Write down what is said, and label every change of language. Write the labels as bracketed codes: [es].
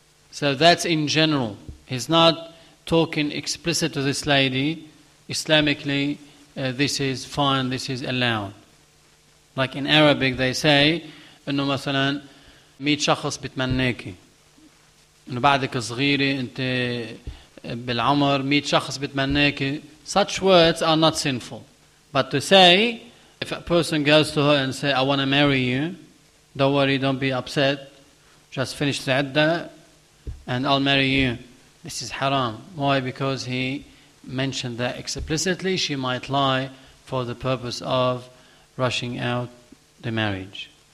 [en] So that's in general. He's not talking explicit to this lady. Islamically, this is fine, this is allowed. Like in Arabic, they say, [ar] إنه مثلا ميت شخص بتمنيكي. إنه بعدك صغيري أنت بالعمر ميت شخص بتمنيكي. [en] Such words are not sinful. But to say, if a person goes to her and say, I want to marry you, don't worry, don't be upset, just finish the iddah and I'll marry you. This is haram. Why? Because he mentioned that explicitly she might lie for the purpose of rushing out the marriage.